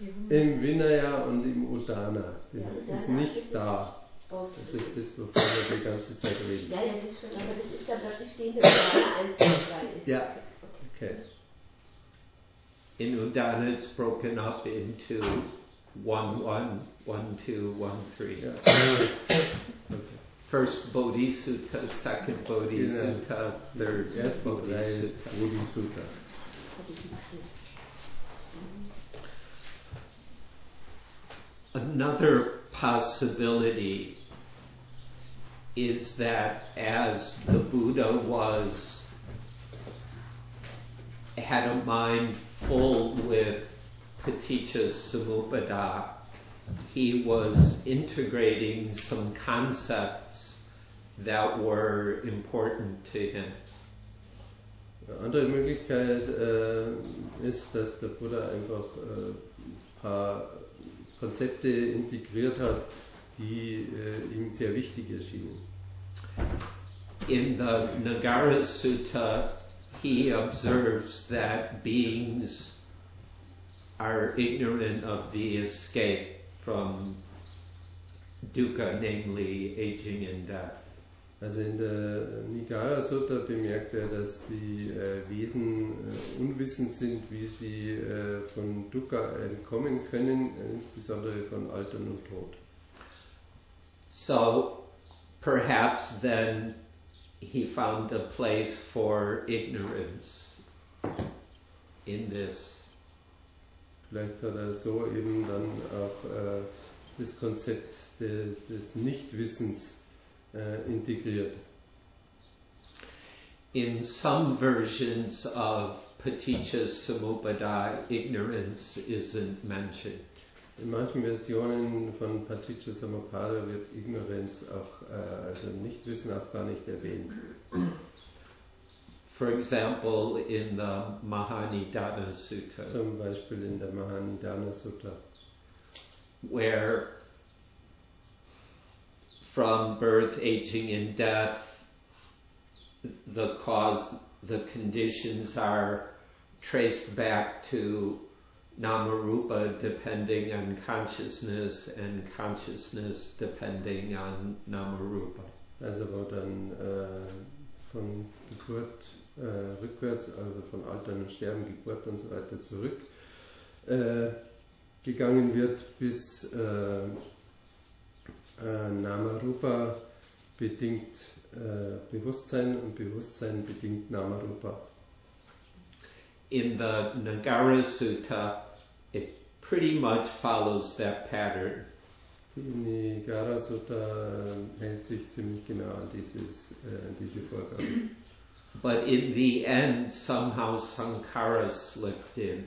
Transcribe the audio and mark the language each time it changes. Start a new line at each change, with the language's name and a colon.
German: Im Vinaya und im Udana. Ja, ist nicht ist da. Das ist das, wovon wir die ganze Zeit reden. Ja, das ist schon, aber das ist dann wirklich stehende Udana 1, 2, 3 ist. Ja, okay.
English: In Udana it's broken up into 1-1, 1-2, 1-3. Yeah. First Bodhisutta, second Bodhisutta, third Bodhisutta. Another possibility is that as the Buddha was, had a mind full with Paticca Samuppada, he was integrating some concepts that were important to him.
German: Eine andere Möglichkeit ist, dass der Buddha einfach ein paar Konzepte integriert hat, die ihm sehr wichtig erschienen.
English: In the Nagara Sutta, he observes that beings are ignorant of the escape from dukkha, namely aging and death.
German: Also in der Nigara Sutta bemerkt er, dass die Wesen unwissend sind, wie sie von dukkha entkommen können, insbesondere von Altern und Tod.
English: So perhaps then he found a place for ignorance in this.
German: Vielleicht hat er so eben dann auch das Konzept des Nichtwissens integriert.
English: In some versions of Paticca Samuppada, ignorance isn't mentioned.
German: In manchen Versionen von Paticca Samuppada wird Ignoranz auch, also Nichtwissen auch gar nicht erwähnt.
English: For example, in the Mahanidana Sutta.
German: Zum Beispiel in der Mahanidana Sutta.
English: Where from birth, aging and death, the cause, the conditions are traced back to Namarupa depending on consciousness and consciousness depending on Namarupa.
German: Also wo dann von Geburt rückwärts, also von Altern und Sterben, Geburt und so weiter zurück gegangen wird, bis Namarupa bedingt Bewusstsein und Bewusstsein bedingt Namarupa.
English: In the Nagara Sutta, it pretty much follows that pattern.
German: Die Nagara Sutta hält sich ziemlich genau an dieses, diese Vorgabe.
English: But in the end, somehow Sankara slipped in.